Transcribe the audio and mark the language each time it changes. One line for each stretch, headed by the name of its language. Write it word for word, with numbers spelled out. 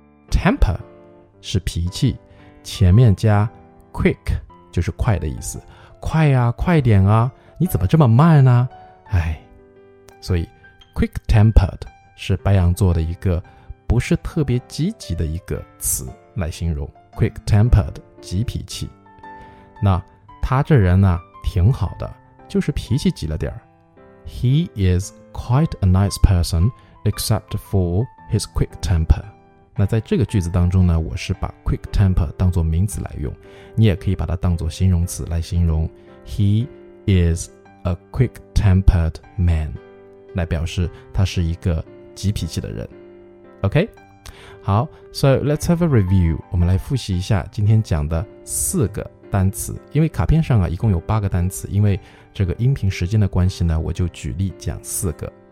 Chinese: Temper 是脾气，前面加 quick 就是快的意思。快啊，快点啊，你怎么这么慢啊？哎，所以 quick-tempered 是白羊座的一个不是特别积极的一个词来形容 quick-tempered 急脾气。那他这人呢挺好的，就是脾气急了点儿。
English: He is quite a nice person except for his quick temper。
Chinese: 那在这个句子当中呢，我是把 quick temper 当作名词来用，你也可以把它当作形容词来形容。
English: He is a quick tempered man，
Chinese: 来表示他是一个急脾气的人。 OK， 好，
English: So let's have a review，
Chinese: 我们来复习一下今天讲的四个单词，因为卡片上啊一共有八个单词，因为这个音频时间的关系呢，我就举例讲四个。